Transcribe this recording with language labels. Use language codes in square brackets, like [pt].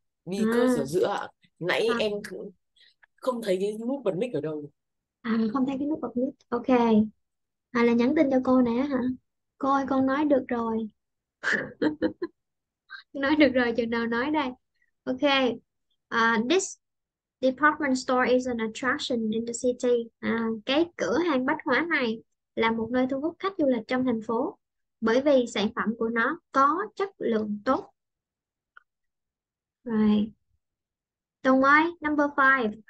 [vi] Đi cơ sở giữa nãy em cũng không thấy cái nút bật mic ở đâu. Không thấy cái nút bật mic. Ok. Là nhắn tin cho cô nè hả? Cô ơi, con nói được rồi. Nói được rồi, chừng nào nói đây. Ok. [en] This department store is an attraction in the city. [vi] Cái cửa hàng bách hóa này là một nơi thu hút khách du lịch trong thành phố bởi vì sản phẩm của nó có chất lượng tốt. Rồi. Tùng ơi, [en] number 5.